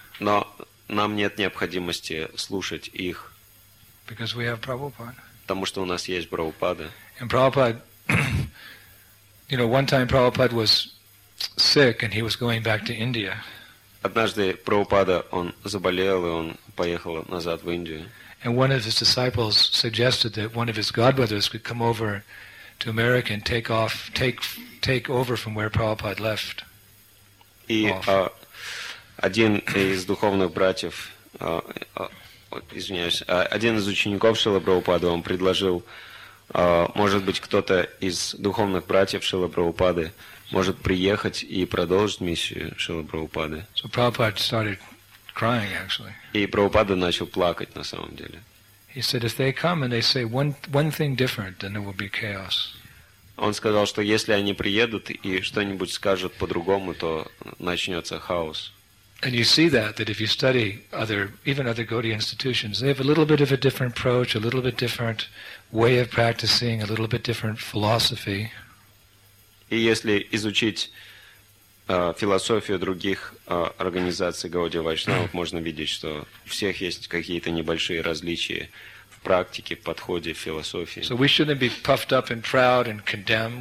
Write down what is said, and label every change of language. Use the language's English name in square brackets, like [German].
[Russian] Но нам нет необходимости слушать их. [English] Because we have Prabhupada. [Russian] Потому что у нас есть Прабхупада. [English] And Prabhupada, you know, one time Prabhupada was sick and he was going back to India. [Russian] Однажды Прабхупада, он заболел, и он поехал назад в Индию. [English] And one of his disciples suggested that one of his godbrothers could come over to America and take over from where Prabhupada left. [Russian] И один из духовных братьев, один из учеников Шрилы Прабхупады, он предложил, может быть, кто-то из духовных братьев Шрилы Прабхупады может приехать и продолжить миссию Шрилы Прабхупады. [English] So Prabhupada started crying, actually. [Russian] И Прабхупада начал плакать на самом деле. [English] He said, if they come and they say one thing different, then it will be chaos. [Russian] Он сказал, что если они приедут и что-нибудь скажут по-другому, то начнется хаос. [English] And you see that if you study other, even other Gaudiya institutions, they have a little bit of a different approach, a little bit different way of practicing, a little bit different philosophy. [Russian] И если изучить философию других организаций Гаудия Вайшнавов, можно видеть, что у всех есть какие-то небольшие различия практике, подходе, философии. [English] So we shouldn't be puffed up and proud and condemned.